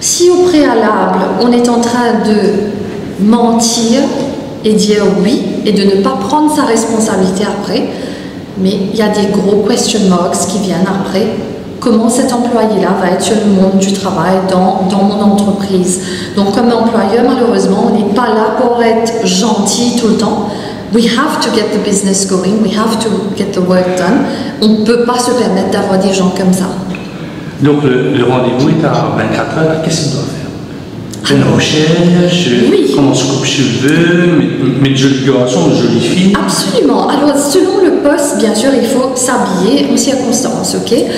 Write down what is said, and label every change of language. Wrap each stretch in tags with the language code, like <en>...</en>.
<fr>Si au préalable, on est en train de mentir et dire oui et de ne pas prendre sa responsabilité après, mais il y a des gros</fr> <en>question marks</en> <fr>qui viennent après. Comment cet employé-là va être sur le monde du travail dans mon entreprise? Donc comme employeur, malheureusement, on n'est pas là pour être gentil tout le temps.</fr> <en>We have to get the business going, we have to get the work done.</en> <fr>On ne peut pas se permettre d'avoir des gens comme ça. Donc le rendez-vous est à 24 heures, qu'est-ce qu'il doit faire? Fais une recherche, oui. Comment se coupe cheveux, mettre joli garçon, joli fille. Absolument. Alors selon le poste, bien sûr, il faut s'habiller en circonstance, ok?</fr>